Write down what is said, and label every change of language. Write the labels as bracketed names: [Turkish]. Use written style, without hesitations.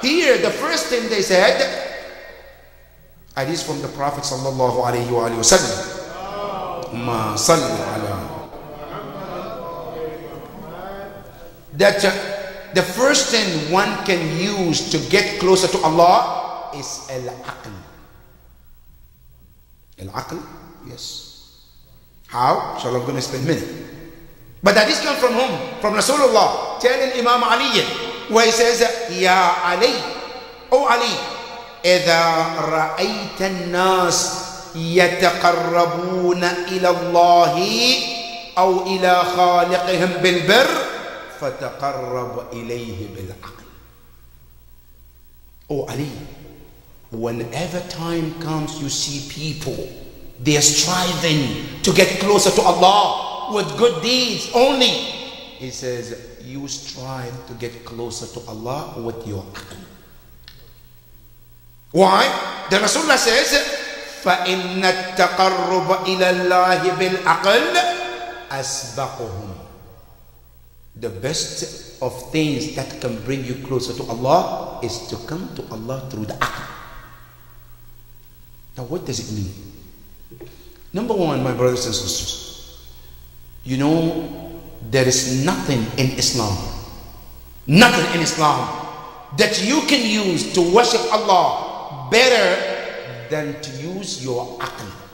[English] Here the first thing they said, hadith from the Prophet sallallahu alayhi wa sallam, ma salli ala, that the first thing one can use to get closer to Allah is al-aql. Al-aql? Yes. How? So I'm going to spend a minute. But that is come from whom? From Rasulullah telling Imam Ali, where he says, Ya Ali, O Ali, [Arabic] إِذَا رَأَيْتَ النَّاسِ يَتَقَرَّبُونَ إِلَى اللَّهِ أَوْ إِلَى خَالِقِهِمْ بِالْبِرِّ فَتَقَرَّبْ إِلَيْهِ بِالْعَقْلِ. [English] Oh Ali, whenever time comes you see people, they are striving to get closer to Allah with good deeds only, he says, you strive to get closer to Allah with your aql. Why? The Rasulullah says, [Arabic] فَإِنَّ التَّقَرُّبَ إِلَى اللَّهِ بِالْأَقْلِ أَسْبَقُهُمْ. [English] The best of things that can bring you closer to Allah is to come to Allah through the aql. Now what does it mean? Number one, my brothers and sisters, you know, there is nothing in Islam, nothing in Islam that you can use to worship Allah better than to use your aql.